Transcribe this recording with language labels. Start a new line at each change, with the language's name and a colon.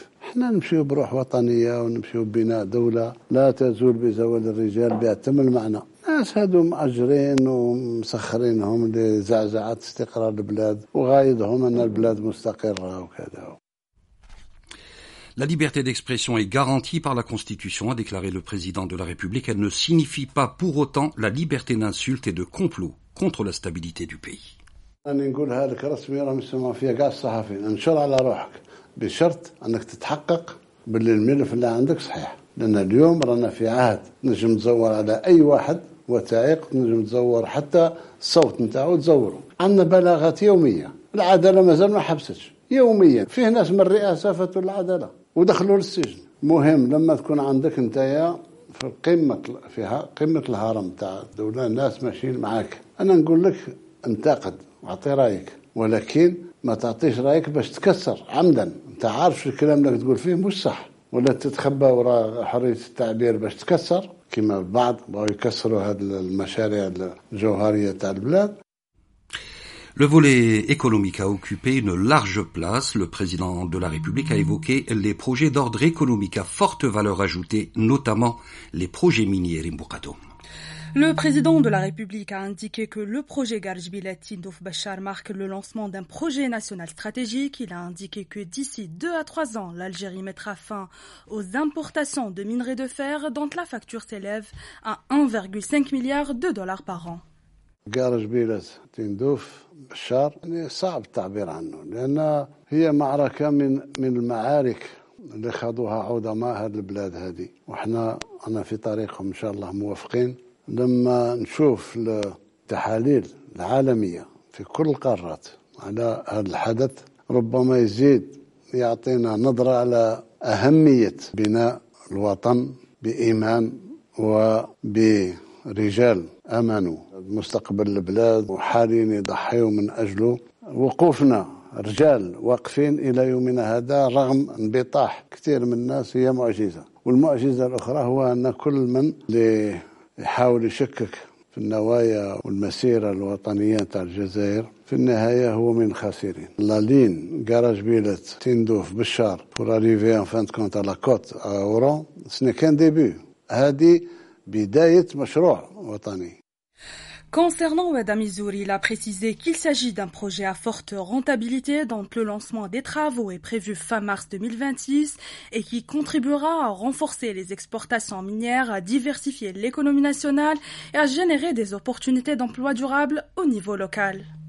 Arabic: احنا نمشيو بروح وطنية ونمشيو بناء دولة لا تزول بزوال الرجال بيعتم المعنى ناس هادو مأجرين ومسخرينهم لزعزعات استقرار البلاد وغايدهم ان البلاد مستقرة وكذا.
French: La liberté d'expression est garantie par la Constitution, a déclaré le président de la République. Elle ne signifie pas pour autant la liberté d'insulte et de complot contre la stabilité du pays.
Arabic: انا نقولها لك رسمي راه مسمى فيها كاع الصحفيين انشر على روحك بشرط انك تتحقق باللي الملف اللي عندك صحيح لان اليوم رانا في عهد نجم تزور على اي واحد وثائق نجم تزور حتى الصوت نتاعو تزوره عندنا بلاغات يوميه العداله مازال ما حبستش يوميا فيه ناس من الرئاسه فاتوا العداله ودخلوا للسجن مهم لما تكون عندك نتايا في قمه فيها قمه الهرم تاع الدوله الناس ماشيين معاك انا نقول لك انتقد وعطي رايك ولكن ما تعطيش رايك باش تكسر عمدا انت عارف الكلام اللي تقول فيه مش صح ولا تتخبى وراء حريه التعبير باش تكسر كما البعض بغاو يكسروا هذه المشاريع الجوهريه تاع البلاد.
French: Le volet économique a occupé une large place. Le président de la République a évoqué les projets d'ordre économique à forte valeur ajoutée, notamment les projets miniers Rimbukato. Le président de la République a indiqué que le projet Garjbilati Nouf Bachar marque le lancement d'un projet national stratégique. Il a indiqué que d'ici 2 à 3 ans, l'Algérie mettra fin aux importations de minerais de fer dont la facture s'élève à 1,5 milliard de dollars par an.
Arabic: Garjbilati Nouf Bachar,
French: c'est difficile de dire, parce que c'est une guerre des
Arabic: اللي خاضوها عظماء هاد البلاد هادي وحنا أنا في طريقهم إن شاء الله موافقين لما نشوف التحاليل العالمية في كل القارات على هاد الحدث ربما يزيد يعطينا نظرة على أهمية بناء الوطن بإيمان وبرجال أمنوا مستقبل البلاد وحالين يضحيوا من أجله وقوفنا رجال واقفين إلى يومنا هذا رغم انبطاح كثير من الناس هي معجزة والمعجزة الأخرى هو أن كل من يحاول يشكك في النوايا والمسيرة الوطنية تاع الجزائر في النهاية هو من الخاسرين لالين قراج بيلت تندوف بشار
French: pour arriver en fin de compte à la côte à Oran ce n'est qu'un début
Arabic: هذه بداية مشروع وطني.
French: Concernant Madame Izouri, il a précisé qu'il s'agit d'un projet à forte rentabilité dont le lancement des travaux est prévu fin mars 2026 et qui contribuera à renforcer les exportations minières, à diversifier l'économie nationale et à générer des opportunités d'emploi durable au niveau local.